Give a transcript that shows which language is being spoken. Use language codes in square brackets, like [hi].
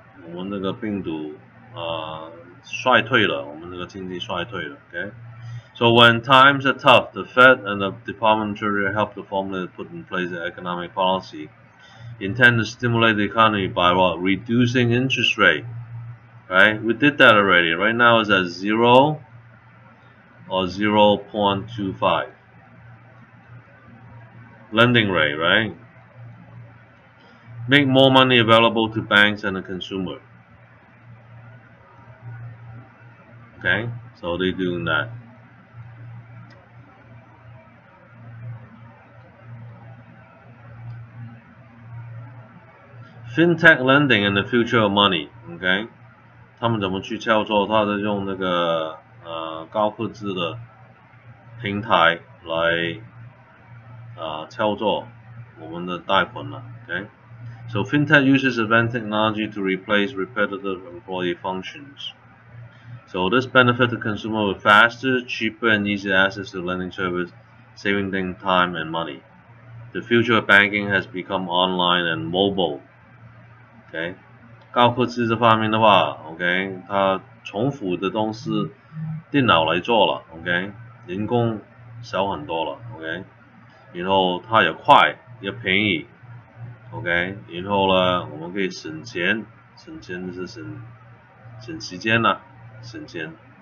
[zh] 我们这个病毒衰退了，我们这个经济衰退了 ,ok? [en] So when times are tough, the Fed and the Department of Treasury help to formulate, put in place an economic policy intend to stimulate the economy by what? Reducing interest rate, right? We did that already. Right now it's at 0 or 0.25. Lending rate, right? Make more money available to banks and the consumer. Okay, so they're doing that. FinTech lending and the future of money, OK? [zh] 他们怎么去操作？他在用那个高科技的平台来操作我们的贷款呢 ？OK? [en] So FinTech uses advanced technology to replace repetitive employee functions. So this benefits the consumer with faster, cheaper, and easier access to lending service, saving them time and money. The future of banking has become online and mobile. [zh] OK， 高科技这方面的话 ，OK， 它重复的东西电脑来做了 ，OK， 人工少很多了 ，OK， 然后它也快也便宜 ，OK， 然后呢，我们可以省钱，省钱就是省时间了，省钱。